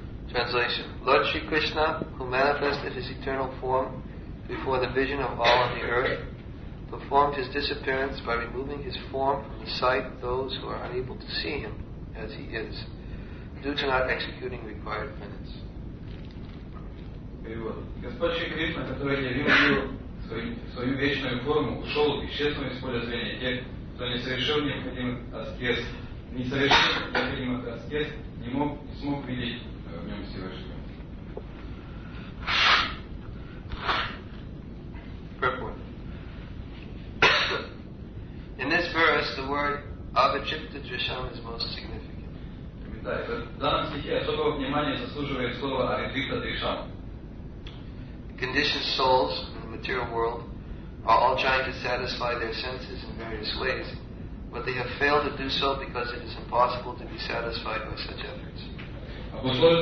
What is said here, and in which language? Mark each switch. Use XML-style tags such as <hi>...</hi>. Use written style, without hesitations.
<en>Translation: Lord Sri Krishna, who manifested his eternal form before the vision of all on the earth, performed his disappearance by removing his form from the sight of those who are unable to see him as he is, due to not executing required penance. Very well.</en> <ru>Свою вечную форму ушел и исчезнул из поля зрения тех, кто не совершил необходимых аскез, не совершил необходимых аскез, не мог, не смог видеть в нем Всевышнего.</ru> <en>Purport. In this verse, the word avichitta drisham is most significant.</en> <ru>Комментарий. В данном стихе особого внимания заслуживает слово авичитта дришам.</ru> <en>Conditioned souls material world are all trying to satisfy their senses in various ways, but they have failed to do so because it is impossible to be satisfied by such efforts.</en>